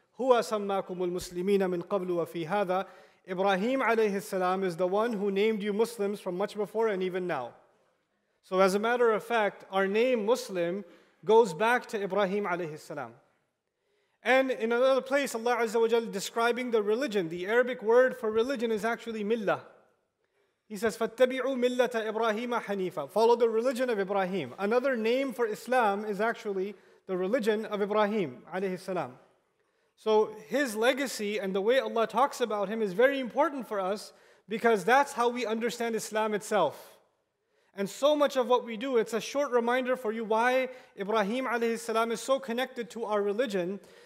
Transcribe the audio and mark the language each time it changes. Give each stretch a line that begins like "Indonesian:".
Arabic: Huwa sammakumul muslimina min qablu wa fi hadha.
English: Ibrahim alayhi salam is the one who named you Muslims from much before and even now. So as a matter of fact, our name Muslim goes back to Ibrahim alayhi salam. And in another place, Allah Azza wa Jal describing the religion, the Arabic word for religion is actually millah.
Arabic: He says, فَاتَّبِعُوا مِلَّةَ إِبْرَاهِيمَ حَنِيفًا.
English: Follow the religion of Ibrahim. Another name for Islam is actually the religion of Ibrahim alayhi salam. So his legacy and the way Allah talks about him is very important for us, because that's how we understand Islam itself. And so much of what we do, it's a short reminder for you why Ibrahim alayhi salam is so connected to our religion.